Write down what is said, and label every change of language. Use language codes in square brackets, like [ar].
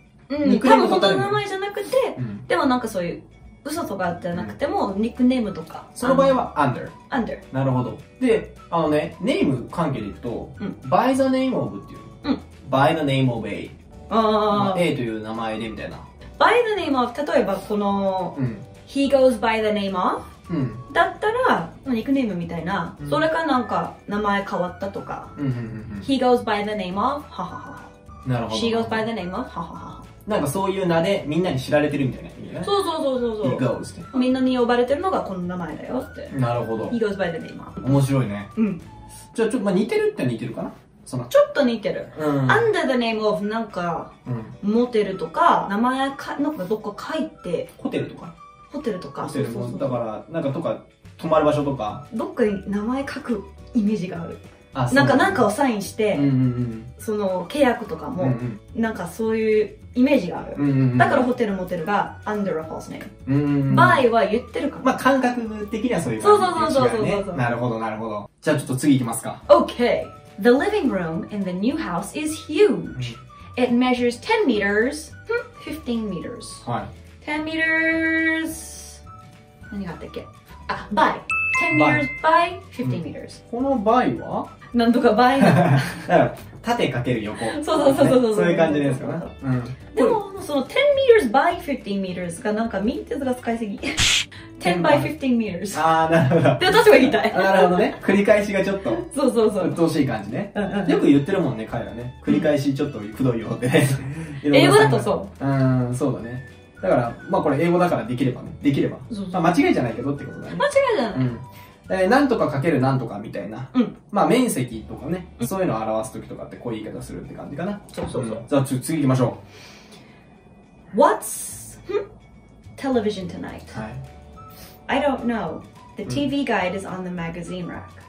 [ja] 多分本当の名前じゃなくて、でもなんかそういう。嘘とかじゃなくても、ニックネームとか。その場合は、under。 [en] under。 [ja] なるほど。で、あのね、ネーム関係でいくと、 [en] by the name of [ja] っていう。 [en] by the name of A。 [ja] A という名前でみたいな。 [en] by the name of、 [ja] 例えばこの、 [en] he goes by the name of? [ja] だったら、ニックネームみたいな。それかなんか、名前変わったとか。 [en] he goes by the name of? ははは。 [ja] なるほど。 [en] she goes by the name of? ははは。 [ja] なんかそういう名でみんなに知られてるみたいな。そうそうそうそうそう。 [en] He goes って。 [ja] みんなに呼ばれてるのがこの名前だよって。なるほど。 [en] He goes by the name。 [ja] 面白いね。うん。じゃあちょっと、まあ、似てるって似てるかな。そのちょっと似てる。うん。 [en] Under the name of [ja] なんか、モテルとか、名前か、なんかどっか書いて。ホテルとか。ホテルとか。ホテルも、だから、なんかとか、泊まる場所とか。どっかに名前書くイメージがある。あ、そう。なんかなんかをサインして、その契約とかも、なんかそういう、イメージがある。だからホテルモテルが [en] under a false name。 [ja] 場合は言ってるから。まあ感覚的にはそういう感じですよね。なるほどなるほど。じゃあちょっと次行きますか。 [en] Okay. The living room in the new house is huge. It measures 10 meters. 15 meters. [ja] はい。 10 meters. 何があったっけ？あ、by。 [en] 10 meters by 15 meters。 [ja] この by は？なんとか by。縦かける横。そうそうそうそうそう。そういう感じですかね。でも、その [en] 10 meters by 15 meters [ja] がなんかミンテズが使いすぎ。 [en] 10 by 15 meters。 [ja] ああ、なるほど。で、私は言いたい。なるほどね。繰り返しがちょっと。そうそうそう。うっとうしい感じね。よく言ってるもんね、彼らね。繰り返しちょっとくどいよって。英語だとそう。そうだね。だから、まあこれ英語だからできればね。できれば。まあ間違いじゃないけどってことだね。間違いじゃない。何とかかける何とかみたいな。まあ面積とかね。そういうのを表すときとかってこういう言い方するって感じかな。そうそうそう。じゃあ次行きましょう。 [en] What's television tonight? I don't know. The TV guide is on the magazine rack.